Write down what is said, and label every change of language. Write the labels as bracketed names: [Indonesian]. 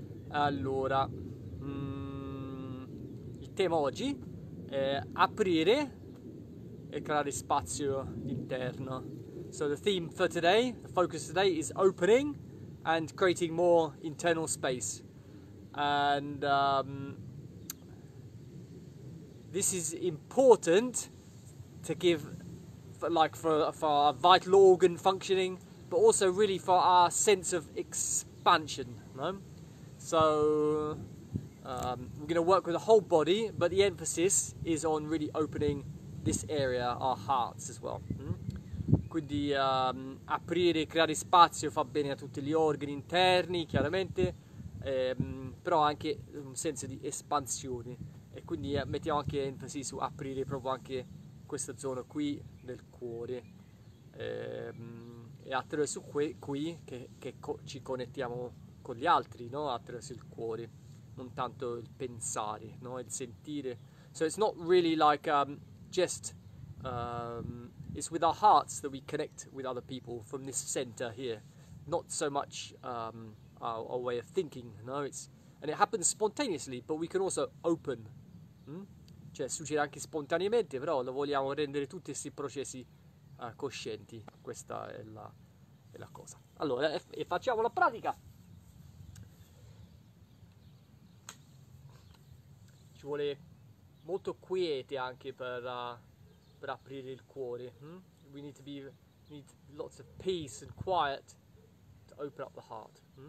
[Italian] Allora, il tema oggi è aprire e creare spazio interno. [English] So the theme for today, the focus today is opening and creating more internal space. And this is important to give, for our vital organ functioning, but also really for our sense of expansion. No? So we're going to work with the whole body, but the emphasis is on really opening this area, our hearts as well. [Italian] Quindi aprire, creare spazio fa bene a tutti gli organi interni, chiaramente, però anche un senso di espansione. E quindi mettiamo anche enfasi su aprire proprio anche questa zona qui del cuore. E attraverso qui che ci connettiamo con gli altri, no? Attraverso il cuore, non tanto il pensare, no? Il sentire. [English] So it's not really like it's with our hearts that we connect with other people from this center here. Not so much our way of thinking, no? And it happens spontaneously, but we can also open. [Italian] Cioè succede anche spontaneamente, però lo vogliamo rendere tutti questi processi coscienti. Questa è la cosa. Allora, e facciamo la pratica. Ci vuole molto quiete anche per aprire il cuore. [English] We need lots of peace and quiet to open up the heart.